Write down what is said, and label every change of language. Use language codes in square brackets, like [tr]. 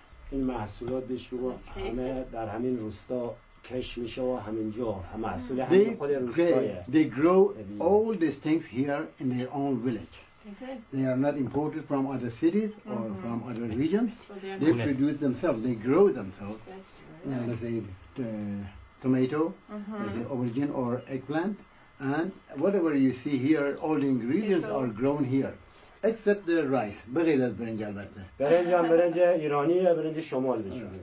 [fa] این محصولات شما همه در همین روستا کش میشه و همینجا محصول همین خود روستایه. [en] They grow all these things here in their own village. They are not imported from other cities or from other regions. They produce themselves. They grow themselves. That's right. Tomato, the aubergine or eggplant, and whatever you see here, all the ingredients are grown here, except the rice. [fa] بغیر از برنج البته. برنج هم برنج ایرانی یا برنج شمال بشه.